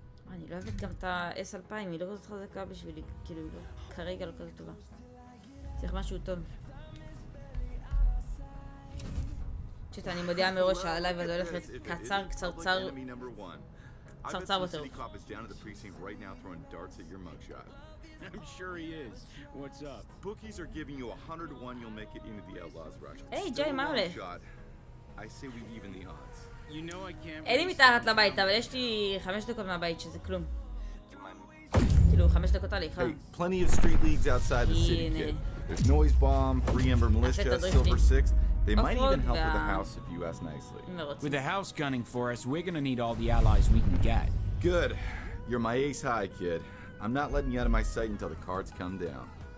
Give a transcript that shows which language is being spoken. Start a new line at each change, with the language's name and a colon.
Hebrew: אני לא אוהבת גם את ה-S2000, היא לא כזאת חזקה בשבילי, כאילו היא לא, כרגע לא כזאת טובה. צריך משהו טוב. פשוט אני מודיעה מראש שהלייב הזה הולך קצר, קצרצר, קצרצר יותר.
English: I bet the city cop is down at the precinct right now throwing darts at your mugshot. I'm sure he is. What's up? Bookies are giving you 101, you'll make it into the outlaws rush.
Hebrew: היי, ג'יי, מה עולה?
English: I say we even the odds.
Hebrew: אין לי מתחת לבית, אבל יש לי 5 דקות מהבית, שזה כלום. כאילו, 5 דקות הליכה.
English: Plenty of street leagues outside the city, kid. There's noise bomb, free ember militia, silver six. They might even help with the house if you ask nicely. With the house gunning for us, we're gonna need all the allies we can get. Good. You're my ace high, kid. I'm not letting you out of my sight until the cards come down.